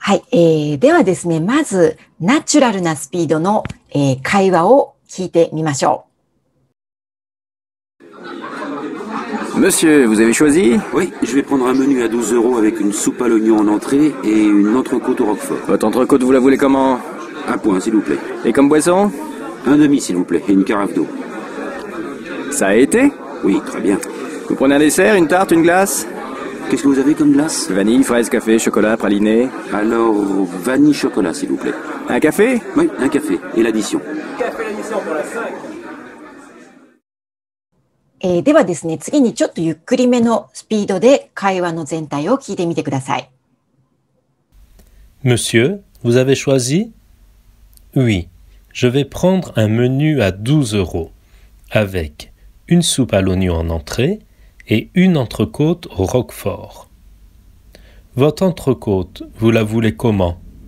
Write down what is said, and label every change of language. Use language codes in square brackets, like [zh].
[ja] ではですね、まずナチュラルなスピードの会話を聞いてみましょう。 [fr] Monsieur, vous avez choisi ? Oui, je vais prendre un menu à 12 euros avec une soupe à l'oignon en entrée et une entrecôte au roquefort. Votre entrecôte, vous la voulez comment ? Un point, s'il vous plaît. Et comme boisson ? Un demi, s'il vous plaît, et une carafe d'eau. Ça a été ? Oui, très bien. Vous prenez un dessert, une tarte, une glace ? Qu'est-ce que vous avez comme glace ? Vanille, fraise, café, chocolat, praliné. Alors, vanille, chocolat, s'il vous plaît. Un café ? Oui, un café, et l'addition. Café, l'addition pour la 5. [ja] ではですね、次にちょっとゆっくりめのスピードで会話の全体を聞いてみてください。 [fr] Monsieur, vous avez choisi? Oui, je vais prendre un menu à 12 euros, avec une soupe à l'oignon en entrée et une entrecôte au roquefort. Votre entrecôte, vous la voulez comment?